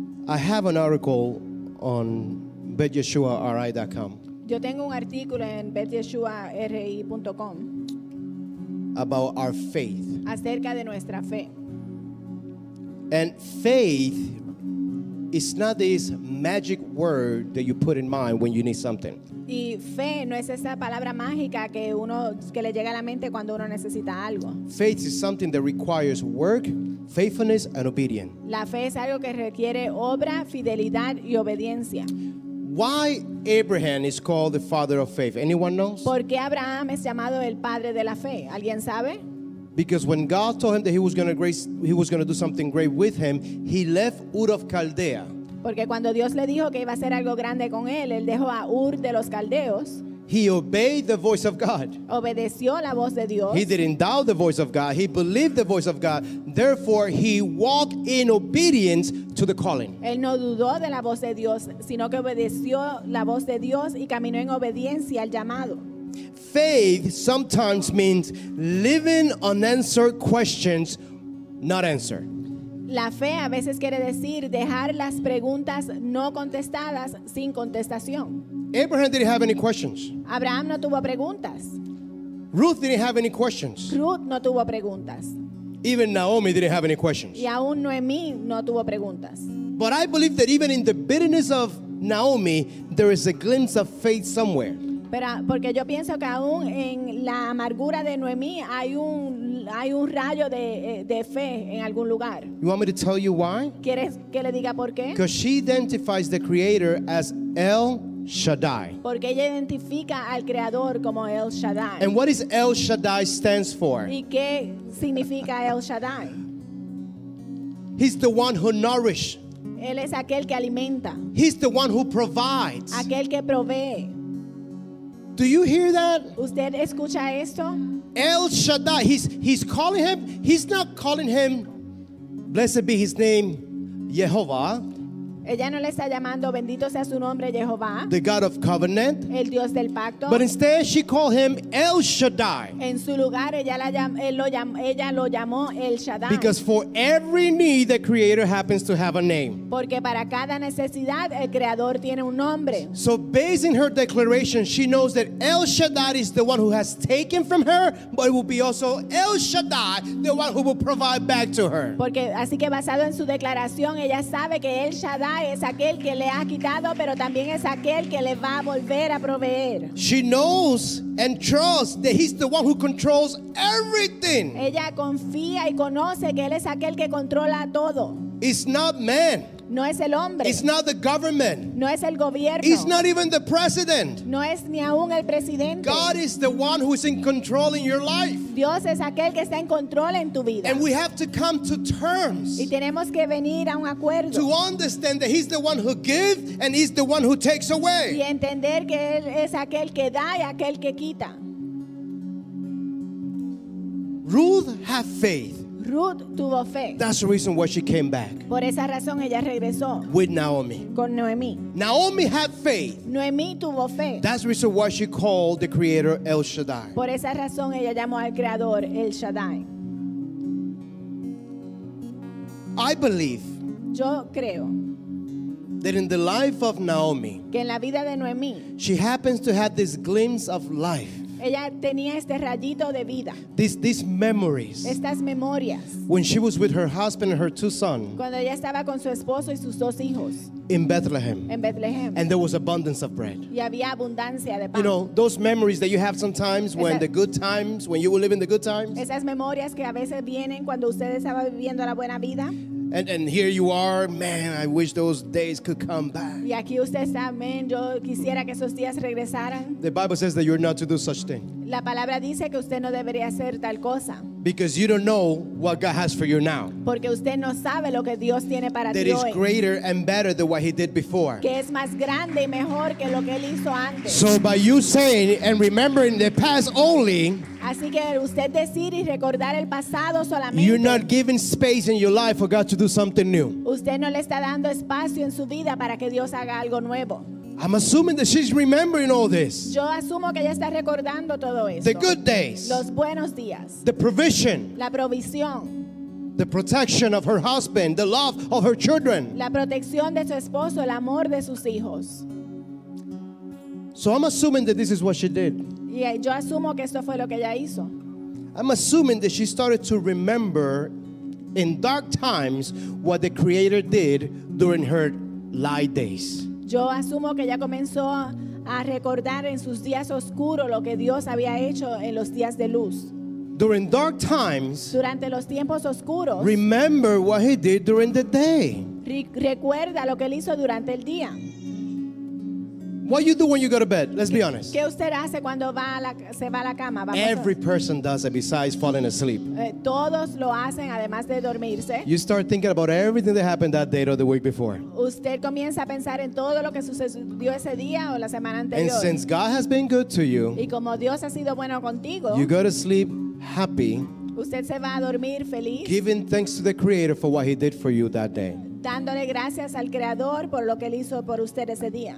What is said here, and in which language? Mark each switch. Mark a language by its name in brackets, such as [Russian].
[English] I have an article on BetYeshuaRI.com. [Spanish] Yo tengo un artículo en BetYeshuaRI.com. [English] About our faith. [Spanish] Acerca de nuestra fe. [English] And faith, it's not this magic word that you put in mind when you need something. [Spanish] Y fe no es esa palabra mágica que uno que le llega a la mente cuando uno necesita algo. [English] Faith is something that requires work, faithfulness, and obedience. [Spanish] La fe es algo que requiere obra, fidelidad y obediencia. [English] Why Abraham is called the father of faith? Anyone knows? [Spanish] ¿Por qué Abraham es llamado el padre de la fe? ¿Alguien sabe? [English] Because when God told him that he was going to do something great with him, he left Ur of Chaldea. [Spanish] Porque cuando Dios le dijo que iba a hacer algo grande con él, él dejó a Ur de los Caldeos. [English] He obeyed the voice of God. [Spanish] Obedeció la voz de Dios. [English] He didn't doubt the voice of God. He believed the voice of God. Therefore, he walked in obedience to the calling. [Spanish] Él no dudó de la voz de Dios, sino que obedeció la voz de Dios y caminó en obediencia al llamado. [English] Faith sometimes means leaving unanswered questions not answered. [Spanish] La fe a veces quiere decir dejar las preguntas no contestadas sin contestación. [English] Abraham didn't have any questions. [Spanish] Abraham no tuvo preguntas. [English] Ruth didn't have any questions. [Spanish] Ruth no tuvo preguntas. [English] Even Naomi didn't have any questions. [Spanish] Y aún Noemí no tuvo preguntas. [English] But I believe that even in the bitterness of Naomi, there is a glimpse of faith somewhere. [Spanish] Pero porque yo pienso que aún en la amargura de Noemí hay un rayo de fe en algún lugar. [English] You want me to tell you why? [Spanish] ¿Quieres que le diga por qué? [English] Because she identifies the creator as El Shaddai. [Spanish] Porque ella identifica al creador como El Shaddai. [English] And what is El Shaddai stands for? [Spanish] ¿Y qué significa El Shaddai? [English] He's the one who nourishes. [Spanish] Él es aquel que alimenta. [English] He's the one who provides. [Spanish] Aquel que provee. [English] Do you hear that? [Spanish] ¿Usted escucha esto? [English] El Shaddai, he's calling him, he's not calling him, blessed be his name, Jehovah. [Spanish] Ella no le está llamando, bendito sea su nombre, Jehová. [English] The God of Covenant. [Spanish] El Dios del Pacto. [English] But instead she called him El Shaddai. [Spanish] En su lugar, ella lo llamó El Shaddai. [English] Because for every need, the Creator happens to have a name. [Spanish] Porque para cada necesidad, el Creador tiene un nombre. [English] So based in her declaration, she knows that El Shaddai is the one who has taken from her, but it will be also El Shaddai, the one who will provide back to her. [Spanish] Porque así que basado en su declaración, ella sabe que El Shaddai es aquel que le ha quitado, pero también es aquel que le va a volver a proveer. [English] She knows and trusts that he's the one who controls everything. [Spanish] Ella confía y conoce que él es aquel que controla todo. [English] It's not man. [Spanish] No es el hombre. [English] It's not the government. [Spanish] No es el gobierno. [English] It's not even the president. [Spanish] No es ni aún el presidente. [English] God is the one who is in control in your life. [Spanish] Dios es aquel que está en control en tu vida. [English] And we have to come to terms. [Spanish] Y tenemos que venir a un acuerdo. [English] To understand that he's the one who gives and he's the one who takes away. [Spanish] Y entender que él es aquel que da y aquel que quita. [English] Ruth, have faith. [Spanish] Ruth tuvo fe. [English] That's the reason why she came back. [Spanish] Por esa razón ella regresó. [English] With Naomi. [Spanish] Con Noemi. [English] Naomi had faith. [Spanish] Noemi tuvo fe. [English] That's the reason why she called the Creator El Shaddai. [Spanish] Por esa razón ella llamó al Creador El Shaddai. [English] I believe. [Spanish] Yo creo. [English] That in the life of Naomi. [Spanish] Que en la vida de Noemi. [English] She happens to have this glimpse of life. [Spanish] Ella tenía este rayito de vida. [English] These memories. [Spanish] Estas memorias. [English] When she was with her husband and her two sons. [Spanish] Cuando ella estaba con su esposo y sus dos hijos. [English] In Bethlehem. [Spanish] En Bethlehem. [English] And there was abundance of bread. [Spanish] Y había abundancia de pan. [English] You know, those memories that you have sometimes when the good times, when you were living the good times. [Spanish] Esas memorias que a veces vienen cuando usted estaba viviendo la buena vida. [English] And here you are, man, I wish those days could come back. [Spanish] Y aquí usted está, man, yo quisiera que esos días regresaran. [English] The Bible says that you're not to do such thing. [Spanish] La palabra dice que usted no debería hacer tal cosa. [English] Because you don't know what God has for you now. [Spanish] Porque usted no sabe lo que Dios tiene para ti hoy. [English] That is greater and better than what he did before. [Spanish] Que es más grande y mejor que lo que él hizo antes. [English] So by you saying and remembering the past only. [Spanish] Así que usted decir y recordar el pasado solamente. [English] You're not giving space in your life for God to do something new. [Spanish] Usted no le está dando espacio en su vida para que Dios haga algo nuevo. [English] I'm assuming that she's remembering all this. [Spanish] Yo asumo que ella está recordando todo esto. [English] The good days. [Spanish] Los buenos días. [English] The provision. [Spanish] La provisión. [English] The protection of her husband, the love of her children. [Spanish] La protección de su esposo, el amor de sus hijos. [English] So I'm assuming that this is what she did. [Spanish] Y yo asumo que esto fue lo que ella hizo. [English] I'm assuming that she started to remember in dark times what the Creator did during her light days. [Spanish] Yo asumo que ella comenzó a recordar en sus días oscuros lo que Dios había hecho en los días de luz. [English] During dark times, [Spanish] durante los tiempos oscuros, [English] remember what he did during the day. [Spanish] Recuerda lo que él hizo durante el día. [English] What you do when you go to bed? Let's be honest. [Spanish] ¿Qué usted hace cuando se va a la cama? [English] Every person does it besides falling asleep. [Spanish] Todos lo hacen además de dormirse. [English] You start thinking about everything that happened that day or the week before. [Spanish] Usted comienza a pensar en todo lo que sucedió ese día o la semana anterior. [English] And since God has been good to you, [Spanish] y como Dios ha sido bueno contigo, [English] you go to sleep happy. [Spanish] Usted se va a dormir feliz. [English] Giving thanks to the Creator for what he did for you that day. [Spanish] Dándole gracias al Creador por lo que él hizo por usted ese día.